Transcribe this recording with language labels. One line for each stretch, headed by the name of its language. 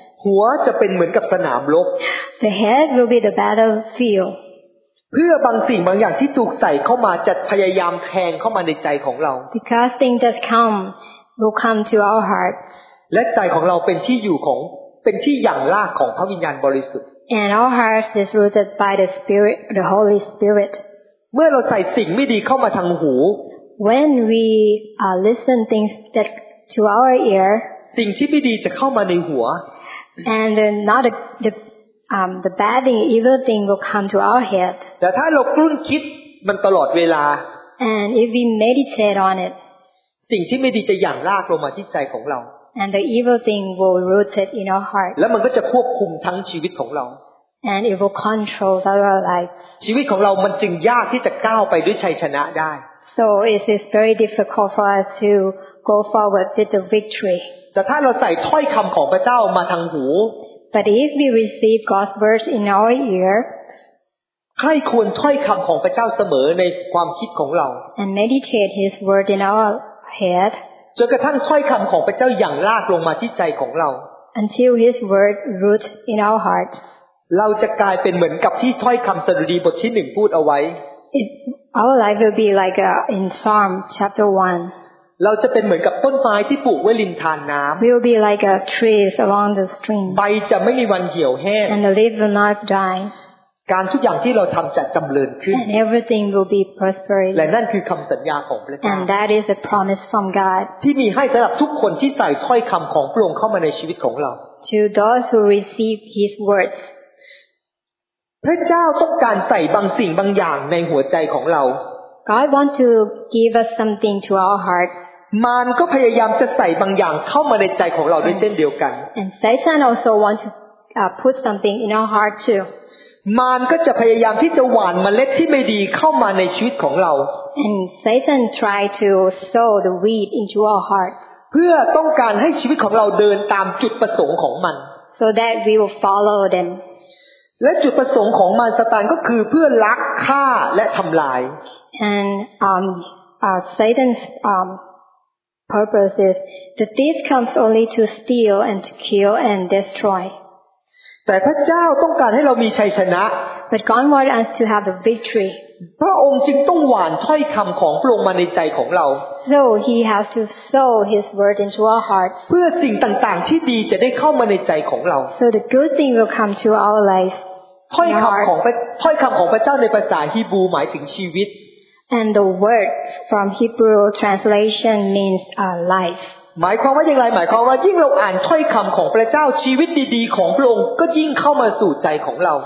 Thai: หัวจะเป็นเหมือนกับสนามรบ
English: The head will be the battlefield.
Thai: เพื่อบางสิ่งบางอย่างที่ถูกใส่เข้ามาจะพยายามแทงเข้ามาในใจของเรา
English: Because things that come will come to our heart
Thai: และใจของเราเป็นที่อยู่ของเป็นที่หยั่งรากของพระวิญญาณบริสุทธิ์
English: And our heart is rooted by the spirit the holy spirit
Thai: เมื่อเราใส่สิ่งไม่ดีเข้ามาทางหู
English: When we listen things that to our ear
Thai: สิ่งที่ไม่ดีจะเข้ามาในหัว
English: and not the bad thing, evil thing will come to our head.
Thai: แต่ถ้าเรากลุ้นคิดมันตลอดเวลา
English: And if we meditate on it,
Thai: สิ่งที่ไม่ดีจะหยั่งรากลงมาที่ใจของเรา
English: And the evil thing will root it in our heart.
Thai: แล้วมันก็จะควบคุมทั้งชีวิตของเรา
English: And it will control our life.
Thai: ชีวิตของเรามันจึงยากที่จะก้าวไปด้วยชัยชนะได้
English: So it is very difficult for us to go forward with the victory.
Thai: แต่ถ้าเราใส่ถ้อยคำของพระเจ้ามาทางหู
English: But if we receive God's words in our ear,
Thai: ใครควรถ้อยคำของพระเจ้าเสมอในความคิดของเรา
English: and meditate His word in our head,
Thai: จนกระทั่งถ้อยคำของพระเจ้าหยั่งรากลงมาที่ใจของเรา
English: until His word root in our heart,
Thai: เราจะกลายเป็นเหมือนกับที่ถ้อยคำสดุดีบทที่หนึ่งพูดเอาไว้
English: our life will be like in Psalm chapter 1
Thai: เราจะเป็นเหมือนกับต้นไม้ที่ปลูกไว้ริมธารน้ำ
English: We'll be like a trees along the stream
Thai: ใบจะไม่มีวันเหี่ยวแห้ง
English: And the leaves will not die
Thai: การทุกอย่างที่เราทำจะเจริญขึ้น
English: And everything will be prosperous
Thai: และนั่นคือคำสัญญาของพระเจ้า
English: And that is a promise from God
Thai: ที่มีให้สำหรับทุกคนที่ใส่ถ้อยคำของพระองค์เข้ามาในชีวิตของเรา
English: To those who receive His words
Thai: พระเจ้าต้องการใส่บางสิ่งบางอย่างในหัวใจของเรา
English: God wants to give us something to our heart
Thai: มารก็พยายามจะใส่บางอย่างเข้ามาในใจของเราด้วยเช่นเดียวกัน
English: And Satan also want to put something in our heart too
Thai: มารก็จะพยายามที่จะหว่านเมล็ดที่ไม่ดีเข้ามาในชีวิตของเรา
English: And Satan try to sow the weed into our heart
Thai: เพื่อต้องการให้ชีวิตของเราเดินตามจุดประสงค์ของมัน
English: So that we will follow them
Thai: และจุดประสงค์ของมารซาตานก็คือเพื่อลักฆ่าและทำลาย
English: And Satan'sPurpose is the thief comes only to steal and to kill and destroy.
Thai: แต่พระเจ้าต้องการให้เรามีชัยชนะ
English: But God wants us to have the victory.
Thai: พระองค์จึงต้องหว่านถ้อยคำของพระองค์มาในใจของเรา
English: So He has to sow His word into our heart.
Thai: เพื่อสิ่งต่างๆที่ดีจะได้เข้ามาในใจของเรา
English: So the good thing will come to our life.
Thai: ถ้อยคำของพระเจ้าในภาษาฮีบรูหมายถึงชีวิต
English: And the word from Hebrew translation means a life
Thai: หมายความว่าอย่างไรหมายความว่ายิ่งเราอ่านถ้อยคำของพระเจ้าชีวิตดีๆของพระองค์ก็ยิ่งเข้ามาสู่ใจของเรา